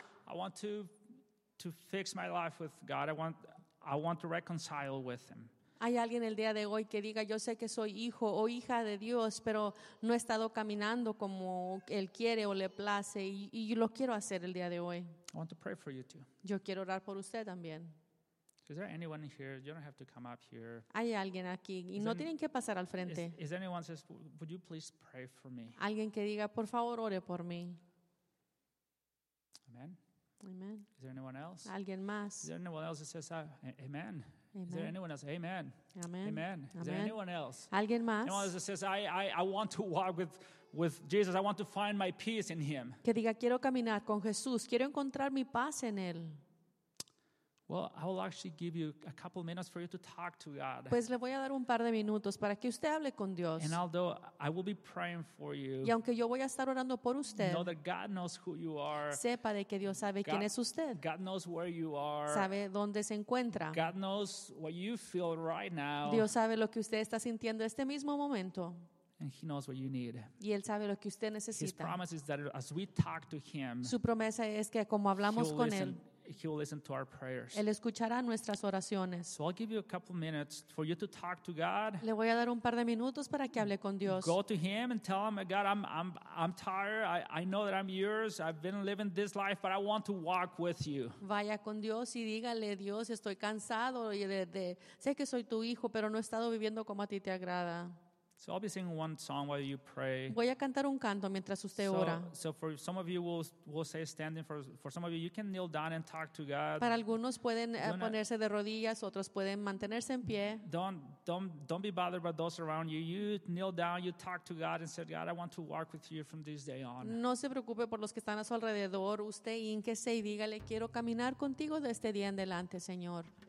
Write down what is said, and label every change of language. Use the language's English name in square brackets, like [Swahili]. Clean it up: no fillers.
[English] I want to fix my life with God. I want to reconcile with Him." [Spanish] ¿Hay alguien el día de hoy que diga, yo sé que soy hijo o hija de Dios, pero no he estado caminando como Él quiere o le place, y lo quiero hacer el día de hoy? [English] I want to pray for you too. [Spanish] Yo quiero orar por usted también. [English] Is there anyone here? You don't have to come up here. [Spanish] ¿Hay alguien aquí? Y no tienen que pasar al frente. [English] Is anyone says, would you please pray for me? [Spanish] Alguien que diga, por favor, ore por mí. Amen. Amen. [English] Is there anyone else? [Spanish] ¿Alguien más? [English] Is there anyone else that says, amen? Amen. Is there anyone else? Amen. Amen. Amen. Is Amen. There anyone else? [Spanish] ¿Alguien más? [English] Anyone else that says, I want to walk with Jesus. I want to find my peace in Him. [Spanish] Que diga, quiero caminar con Jesús. Quiero encontrar mi paz en Él. [English] Well, I will actually give you a couple minutes for you to talk to God. [Spanish] Pues le voy a dar un par de minutos para que usted hable con Dios. [English] And although I will be praying for you, [Spanish] y aunque yo voy a estar orando por usted, [English] know that God knows who you are. [Spanish] Sepa de que Dios sabe quién es usted. [English] God knows where you are. [Spanish] Sabe dónde se encuentra. [English] God knows what you feel right now. [Spanish] Dios sabe lo que usted está sintiendo este mismo momento. [English] And He knows what you need. [Spanish] Y Él sabe lo que usted necesita. [English] His promise is that as we talk to Him, [Spanish] su promesa es que como hablamos con Él, [English] He will listen to our prayers. [Spanish] Él escuchará nuestras oraciones. [English] So I'll give you a couple minutes for you to talk to God. [Spanish] Le voy a dar un par de minutos para que hable con Dios. [English] Go to Him and tell Him, God, I'm tired. I know that I'm yours. I've been living this life, but I want to walk with you. [Spanish] Vaya con Dios y dígale, Dios, estoy cansado y de sé que soy tu hijo, pero no he estado viviendo como a ti te agrada. [English] So I'll be singing one song while you pray. [Spanish] Voy a cantar un canto mientras usted ora. [English] So for some of you, we'll say standing. For some of you, you can kneel down and talk to God. [Spanish] Para algunos pueden ponerse de rodillas, otros pueden mantenerse en pie. [English] Don't be bothered by those around you. You kneel down, you talk to God and say, God, I want to walk with you from this day on. [Spanish] No se preocupe por los que están a su alrededor. Usted hínquese y dígale, quiero caminar contigo de este día en adelante, Señor.